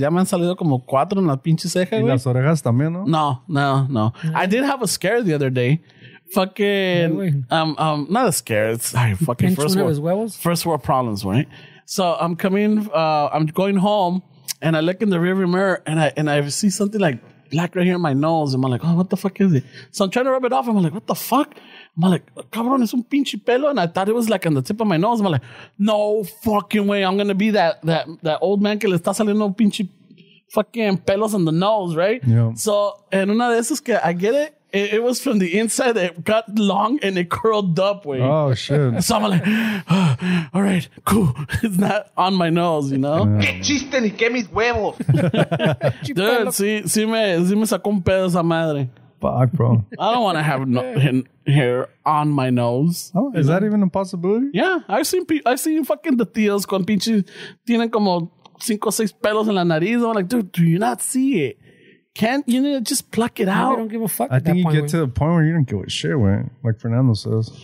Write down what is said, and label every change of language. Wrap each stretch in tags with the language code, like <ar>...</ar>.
<es>Ya me han salido como cuatro en la pinche ceja. Y las orejas también, ¿no? No. Mm-hmm.</es> <en>I did have a scare the other day. Fucking, not a scare. It's like fucking first world problems, right? So I'm coming, I'm going home, and I look in the rearview mirror, and I see something like black right here in my nose. And I'm like, oh, what the fuck is it? So I'm trying to rub it off. I'm like, what the fuck? I'm like,</en> <es>cabrón, es un pinche pelo.</es> <en>And I thought it was like on the tip of my nose. I'm like, no fucking way. I'm going to be that old man</en> <es>que le está saliendo pinche</es> <en>fucking pelos on the nose, right? Yeah. So, and</en> <es>una de esas que</es> <en>I get it. It was from the inside. It got long and it curled up. Way. Oh shit! So I'm like, all right, cool. It's not on my nose, you know.</en> <es>Qué chiste ni qué mis huevos. Dude, sí me sacó un pedo esa madre.</es> <en>Fuck, bro. I don't want to have hair on my nose. Oh, is that even a possibility? Yeah, I've seen fucking the</en> <es>tíos con pinche tienen como cinco o seis pelos en la nariz.</es> <en>I'm like, dude, do you not see it? Can't you know, just pluck it out? I don't give a fuck. I think you get to the point where you don't give a shit, man. Like Fernando says.</en>